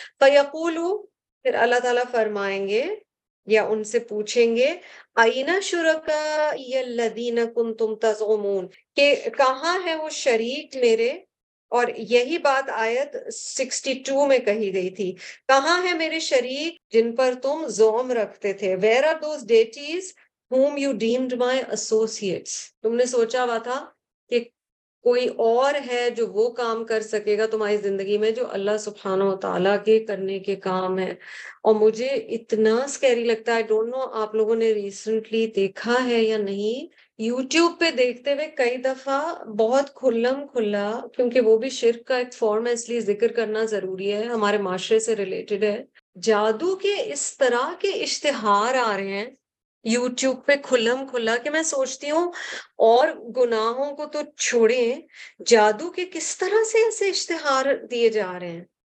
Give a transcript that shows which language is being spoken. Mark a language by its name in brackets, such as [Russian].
[Hindi] फयकुलू, फिर अल्लाह ताला फरमाएंगे या उनसे पूछेंगे, [Arabic] आईना शुरका यल्लदीना कुंतुम तज़ुमून, [Hindi] के कहाँ है वो शरीक मेरे। और यही बात आयत 62 में कही गई थी, कहाँ है मेरे शरीक जिन पर तुम ज़ोम रखते थे। [English] Where are those deities Whom you deemed my associates? [Hindi] तुमने सोचा हुआ था कि कोई और है जो वो काम कर सकेगा तुम्हारी जिंदगी में, जो अल्लाह सुबहानो ताला के करने के काम है। और मुझे इतना स्कैरी लगता है, [English] I don't know [Hindi] आप लोगों ने रिसेंटली देखा है या नहीं, यूट्यूब पे देखते हुए कई दफा बहुत खुल्लम खुल्ला, क्योंकि वो भी शिर्क का एक फॉर्म है, इसलिए जिक्र करना जरूरी है, हमारे माशरे से रिलेटेड है, जादू के इस तरह के इश्तेहार आ रहे हैं यूट्यूब पे खुल्लम खुल्ला, कि मैं सोचती हूँ और गुनाहों को तो छोड़े, जादू के किस तरह से ऐसे इश्तेहार दिए जा रहे हैं।